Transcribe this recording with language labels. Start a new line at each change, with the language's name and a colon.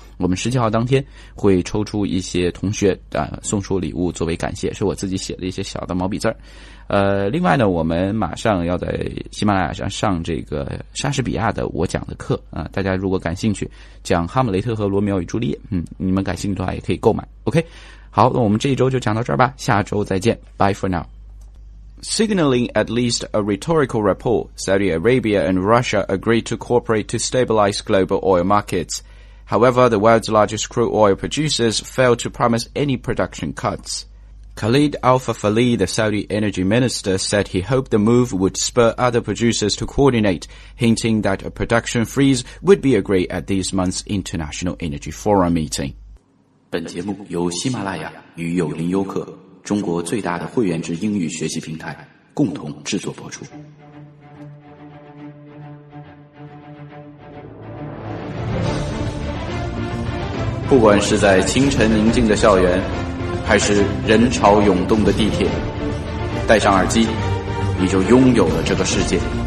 Chinese: 我们17号当天会抽出一些同学啊送出礼物作为感谢，是我自己写的一些小的毛笔字儿。另外呢，我们马上要在喜马拉雅上上这个莎士比亚的我讲的课啊，大家如果感兴趣，讲哈姆雷特和罗密欧与朱丽叶，你们感兴趣的话也可以购买。 OK， 好，那我们这一周就讲到这儿吧，下周再见 ，
English: Bye for now。 Signaling at least a rhetorical rapport, Saudi Arabia and Russia agreed to cooperate to stabilize global oil markets. However, the world's largest crude oil producers failed to promise any production cuts. Khalid Al-Fafali, the Saudi energy minister, said he hoped the move would spur other producers to coordinate, hinting that a production freeze would be agreed at this month's International Energy Forum meeting.
Chinese: 本节目由喜马拉雅与有林优客，中国最大的会员制英语学习平台，共同制作播出。不管是在清晨宁静的校园，还是人潮涌动的地铁，戴上耳机，你就拥有了这个世界。